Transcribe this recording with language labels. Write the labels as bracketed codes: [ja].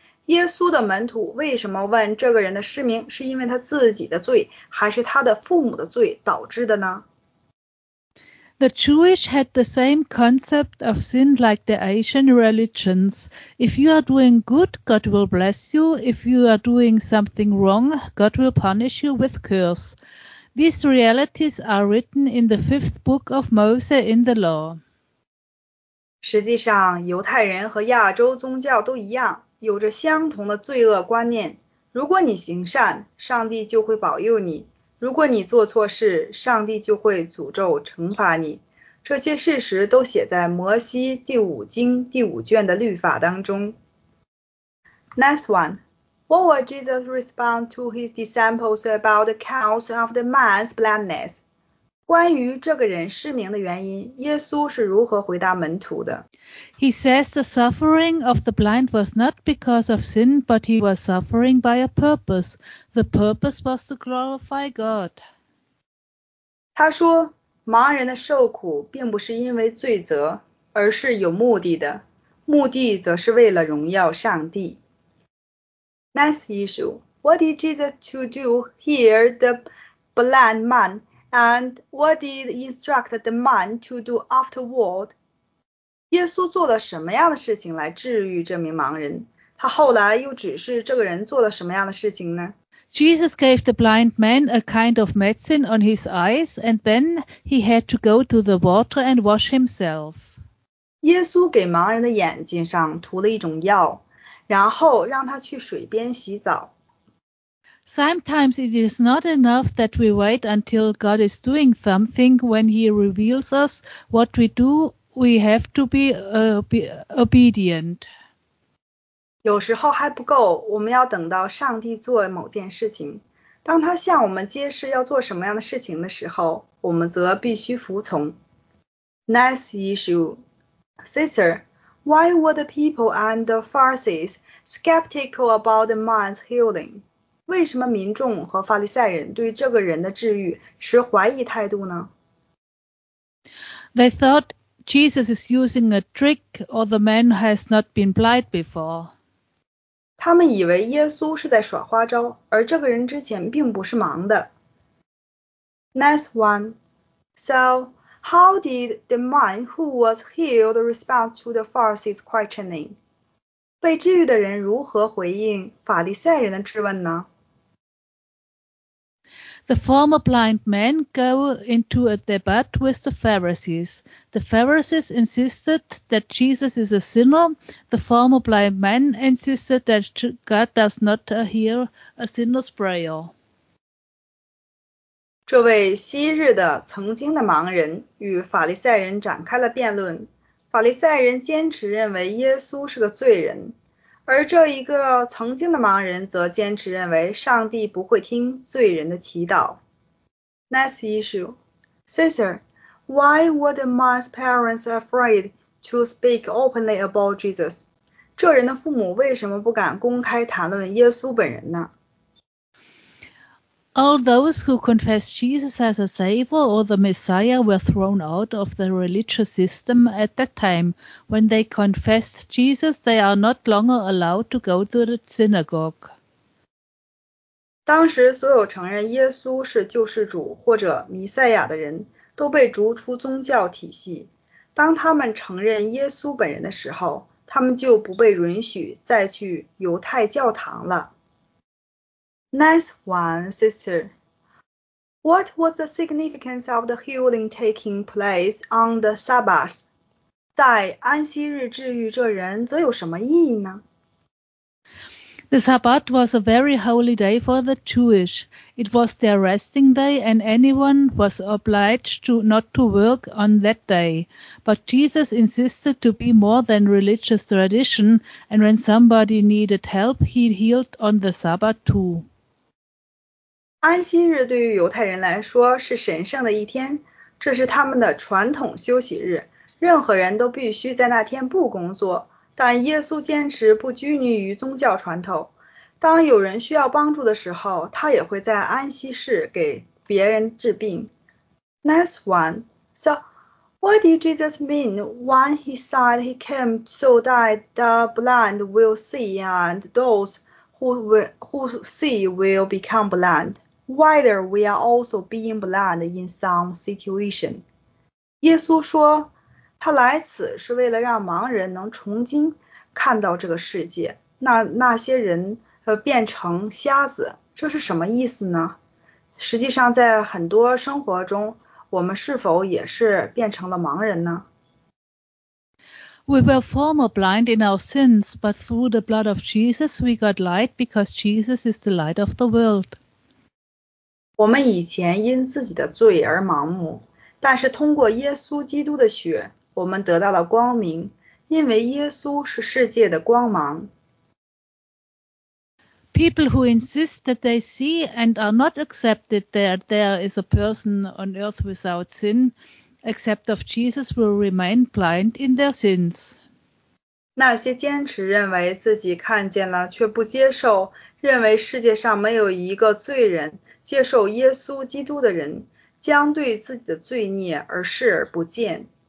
[zh] 耶稣的门徒为什么问这个人的失明是因为他自己的罪还是他的父母的罪导致的呢？ [en] The Jewish had the same concept of sin like the Asian religions. If you are doing good, God will bless you. If you are doing something wrong, God will punish you with curse. These realities are written in the fifth book of Moses in the law. [zh] 实际上，犹太人和亚洲宗教都一样，有着相同的罪恶观念。如果你行善，上帝就会保佑你。如果你做错事，上帝就会诅咒惩罚你。这些事实都写在摩西第五经第五卷的律法当中。 [en] Next one. What would Jesus respond to his disciples about the cause of the man's blindness? [zh] 关于这个人失明的原因，耶稣是如何回答门徒的？ [en] He says the suffering of the blind was not because of sin, but he was suffering by a purpose. The purpose was to glorify God. [zh] 他说，盲人的受苦并不是因为罪责，而是有目的的，目的则是为了荣耀上帝。 [en] Next issue. What did Jesus to do here the blind man? And what did instruct the man to do afterward? [zh] 耶稣做了什么样的事情来治愈这名盲人？他后来又指示这个人做了什么样的事情呢？ [en] Jesus gave the blind man a kind of medicine on his eyes, and then he had to go to the water and wash himself. [zh] 耶稣给盲人的眼睛上涂了一种药，然后让他去水边洗澡。 [en] Sometimes it is not enough that we wait until God is doing something. When he reveals us what we do, we have to be obedient. [zh] 有时候还不够，我们要等到上帝做某件事情。当他向我们揭示要做什么样的事情的时候，我们则必须服从。 [en] Next issue. Sister, why were the people and the Pharisees skeptical about the man's healing? [zh] 为什么民众和法利赛人对这个人的治愈持怀疑态度呢？ [en] They thought Jesus is using a trick or the man has not been blind before. [zh] 他们以为耶稣是在耍花招，而这个人之前并不是盲的。 [en] Next one. So, how did the man who was healed respond to the Pharisees' questioning? [zh] 被治愈的人如何回应法利赛人的质问呢？ [en] The former blind man go into a debate with the Pharisees. The Pharisees insisted that Jesus is a sinner. The former blind man insisted that God does not hear a sinner's prayer. [zh] 这位昔日的曾经的盲人与法利赛人展开了辩论。法利赛人坚持认为耶稣是个罪人。而这一个曾经的盲人则坚持认为上帝不会听罪人的祈祷。 [en] Next issue. Sister, why were the man's parents afraid to speak openly about Jesus? [zh] 这人的父母为什么不敢公开谈论耶稣本人呢？ [en] All those who confessed Jesus as a savior or the Messiah were thrown out of the religious system at that time. When they confessed Jesus, they are not longer allowed to go to the synagogue. [zh] 当时所有承认耶稣是救世主或者弥赛亚的人都被逐出宗教体系。当他们承认耶稣本人的时候，他们就不被允许再去犹太教堂了。 [en] Next one, sister. What was the significance of the healing taking place on the Sabbath? [zh] 在安息日治愈这人则有什么意义呢？ [en] The Sabbath was a very holy day for the Jewish. It was their resting day and anyone was obliged to not to work on that day. But Jesus insisted to be more than religious tradition and when somebody needed help, he healed on the Sabbath too. [zh] 安息日对于犹太人来说是神圣的一天，这是他们的传统休息日，任何人都必须在那天不工作，但耶稣坚持不拘泥于宗教传统，当有人需要帮助的时候，他也会在安息日给别人治病。 [en] Next one. So, what did Jesus mean when he said he came so that the blind will see and those who see will become blind? Whether we are also being blind in some situation. [zh] 耶稣说他来此是为了让盲人能重新看到这个世界。那些人变成瞎子，这是什么意思呢？实际上在很多生活中，我们是否也是变成了盲人呢？ [en] We were former blind in our sins, but through the blood of Jesus we got light because Jesus is the light of the world. [zh] 我们以前因自己的罪而盲目，但是通过耶稣基督的血，我们得到了光明，因为耶稣是世界的光芒。 [en] People who insist that they see and are not accepted that there is a person on earth without sin, except of Jesus, will remain blind in their sins. [zh] 那些坚持认为自己看见了却不接受，认为世界上没有一个罪人。接受耶稣基督的人将对自己的罪孽而视而不见。